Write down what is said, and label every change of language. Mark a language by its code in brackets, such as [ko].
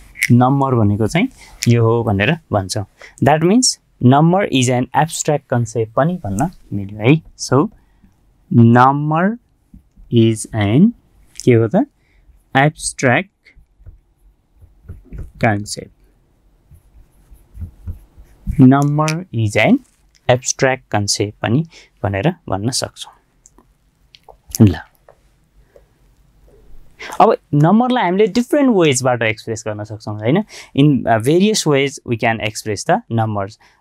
[ne] Number भनेको चाहिँ यो हो भनेर भन्छ. [en] That means number is an abstract concept [ne] पनि भन्न मिल्यो है. [en] So number is an [ne] के हो त [en] abstract concept. Number is an abstract concept [ne] पनि भनेर भन्न सक्छौ ल अब नम्बर लाई हामीले [en] different ways [ne] बाट [en] express [ne] गर्न सक्छौ हैन [en] in various ways we can express the numbers